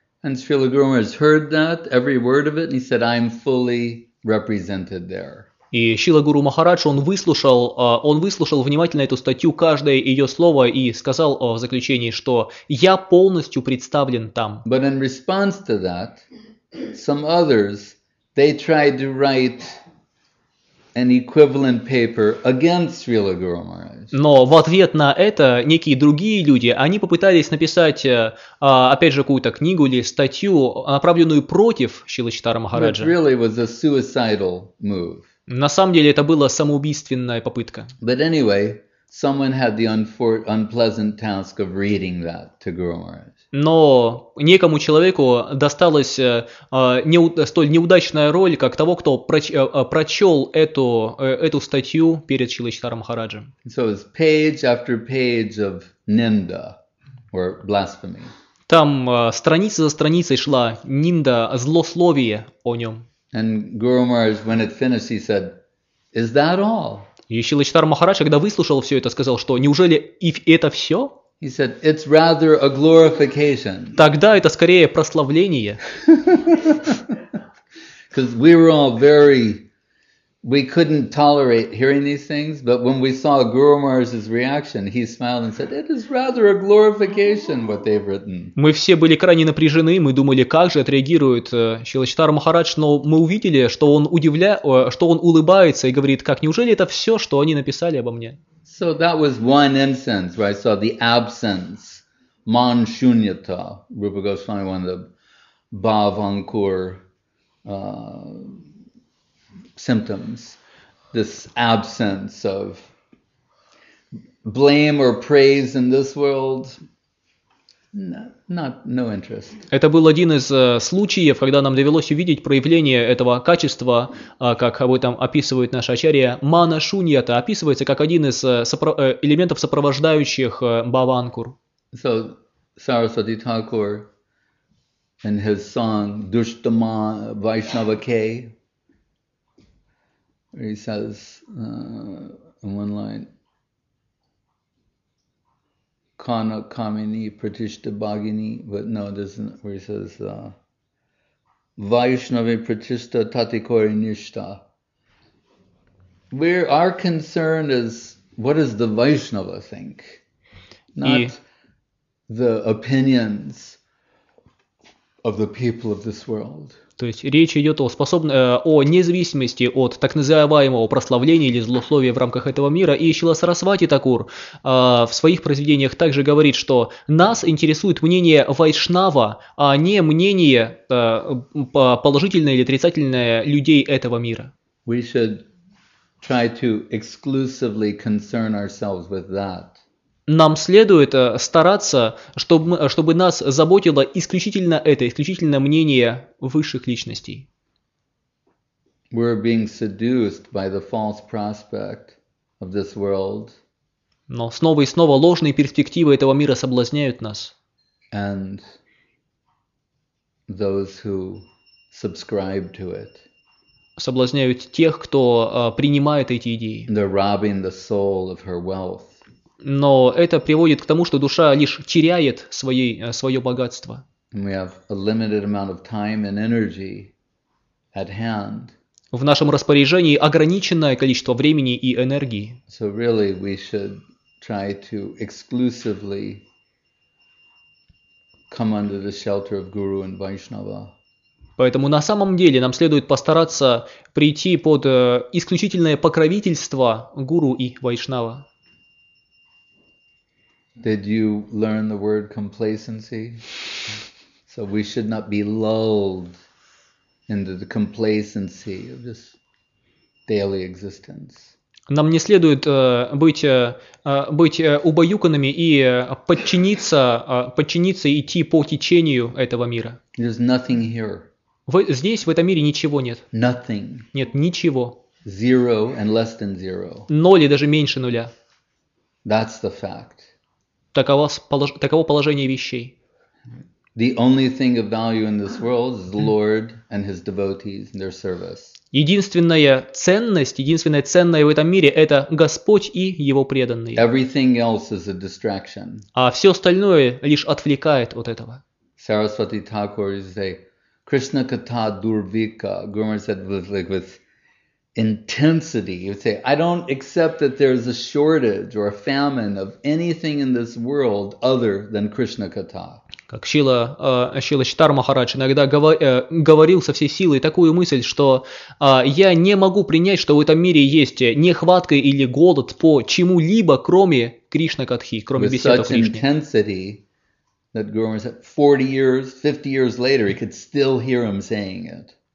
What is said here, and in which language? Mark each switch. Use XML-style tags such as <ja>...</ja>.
<en>And Srila Guru Maharaj heard that, every word of it, and he said, I'm fully represented there.</en> <ru>И Шрила Гуру Махарадж, он выслушал внимательно эту статью, каждое ее слово, и сказал в заключении, что я полностью представлен там.</ru> <en>But in response to that, some others, they tried to write an equivalent paper against Srila Guru Maharaj.</en> <ru>Но в ответ на это некие другие люди, они попытались написать, опять же, какую-то книгу или статью, направленную против Шрилы Читары Махараджа.</ru> <en>It really was a suicidal move.</en> <ru>На самом деле это была самоубийственная попытка.</ru> <en>But anyway, someone had the unpleasant task of reading that to Guru Maharaj.</en> <ru>Но некому человеку досталась столь неудачная роль, как того, кто прочел эту статью перед Шрилой Читарой Махараджем.</ru> <en>So it was page after page of ninda or blasphemy.</en> <ru>Там страница за страницей шла нинда, злословие о нем.</ru> <en>And Guru Maharaj, when it finished, he said, "Is that all?"</en> <ru>И Шрила Читара Махарадж, когда выслушал все это, сказал, что неужели и это все?</ru> <en>He said, it's rather a glorification.</en> <ru>Тогда это скорее прославление.</ru> <en>Because we were all we couldn't tolerate hearing these things, but when we saw Guru Maharaj's reaction, he smiled and said, it is rather a glorification what they've written.</en> <ru>Мы все были крайне напряжены, мы думали, как же отреагирует Шрила Читара Махарадж, но мы увидели, что он улыбается и говорит, как неужели это все, что они написали обо мне?</ru> <en>So that was one instance where I saw the absence, manshunyata, Rupa Goswami, one of the bhavankur symptoms, this absence of blame or praise in this world. No interest.</en> <ru>Это был один из случаев, когда нам довелось увидеть проявление этого качества, как об этом описывает наша ачарья, мана шуньята, описывается как один из элементов, сопровождающих бхаванкур.</ru> <en>So, Saraswati Thakur, in his song Dushtama Vaishnava K, where he says, in one line,</en> <bn>Kana Kamini Pratishta Bhagini,</bn> <en>but no, this isn't where he says</en> <bn>Vaishnavi Pratishta Tatikori Nishta.</bn> <en>Where our concern is what does the Vaishnava think? Not the opinions of the people of this world.</en> <ru>То есть речь идет о независимости от так называемого прославления или злословия в рамках этого мира. И Шрила Сарасвати Такур в своих произведениях также говорит, что нас интересует мнение вайшнава, а не мнение положительное или отрицательное людей этого мира.</ru> <en>We should try to exclusively concern ourselves with that.</en> <ru>Нам следует стараться, чтобы нас заботило исключительно это, исключительно мнение высших личностей.</ru> <en>We're being seduced by the false prospect of this world.</en> <ru>Но снова и снова ложные перспективы этого мира соблазняют нас.</ru> <en>And those who subscribe to it.</en> <ru>Соблазняют тех, кто принимает эти идеи.</ru> <en>They're robbing the soul of her wealth.</en> <ru>Но это приводит к тому, что душа лишь теряет свое богатство.</ru> <en>We have a limited amount of time and energy at hand.</en> <ru>В нашем распоряжении ограниченное количество времени и энергии.</ru> <en>So really we should try to exclusively come under the shelter of Guru and Vaishnava.</en> <ru>Поэтому на самом деле нам следует постараться прийти под исключительное покровительство Гуру и Вайшнава.</ru> <en>Did you learn the word complacency? So we should not be lulled into the complacency of this daily existence.</en> <ru>Нам не следует быть убаюканными и подчиниться и идти по течению этого мира.</ru> <en>There's nothing here.</en> <ru>Здесь, в этом мире, ничего нет.</ru> <en>Nothing.</en> <ru>Нет ничего.</ru> <en>Zero and less than zero.</en> <ru>Ноль и даже меньше нуля.</ru> <en>That's the fact.</en> <ru>Таково положение вещей.</ru> <en>The only thing of value in this world is the Lord and His devotees and their service.</en> <ru>Единственная ценность, единственное ценное в этом мире – это Господь и Его преданные.</ru> <en>Everything else is a distraction.</en> <ru>А все остальное лишь отвлекает от этого.</ru> <en>Sarasvati Thakur is a Krishna Katha Durvika. Gurumar said with intensity, he would say, I don't accept that there is a shortage or a famine of anything in this world other than Krishna Katha.</en> <ru>Как Шрила Читар Махарадж иногда говорил со всей силой такую мысль, что я не могу принять, что в этом мире есть нехватка или голод по чему-либо, кроме Кришна Катхи, кроме беседы Кришны.</ru> <en>With such intensity that Gurumar said 40 years, 50 years later, he could still hear him saying it.</en>